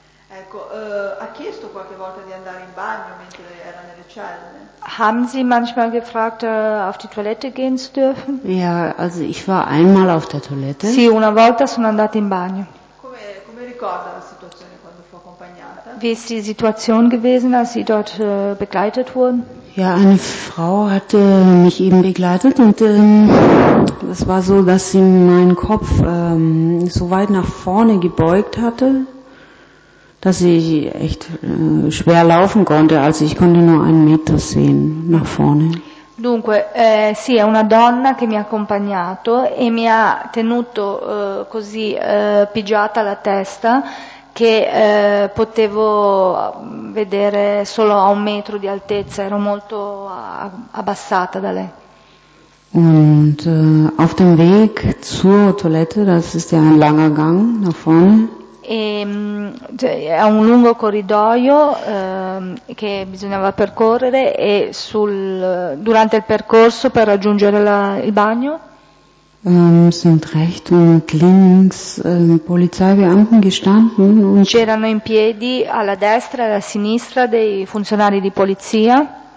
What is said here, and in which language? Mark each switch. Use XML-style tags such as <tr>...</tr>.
<it>Ecco, ha chiesto qualche volta di andare in bagno mentre era nelle celle?</it> <de>Haben Sie manchmal gefragt, auf die Toilette gehen zu dürfen? Ja, also ich war einmal auf der Toilette.</de> <it>Sì, una volta sono andata in bagno. Come, ricorda la situazione quando fu accompagnata.</it> <de>Wie ist die Situation gewesen, als sie dort begleitet wurden? Ja, eine Frau hatte mich eben begleitet und das war so, dass sie meinen Kopf so weit nach vorne gebeugt hatte, dass ich echt schwer laufen konnte, also ich konnte nur einen Meter sehen nach vorne.</de> <it>Dunque, sì, è una donna che mi ha accompagnato e mi ha tenuto così pigiata la testa che potevo vedere solo a un metro di altezza, ero molto abbassata da lei.</it> <de>Und auf dem Weg zur Toilette, das ist ja ein langer Gang nach vorne.</de> <it>E è un lungo corridoio che bisognava percorrere e durante il percorso per raggiungere il bagno</it> <de>sind rechts und links Polizeibeamten gestanden und</de> <it>c'erano in piedi alla destra e alla sinistra dei funzionari di polizia.</it>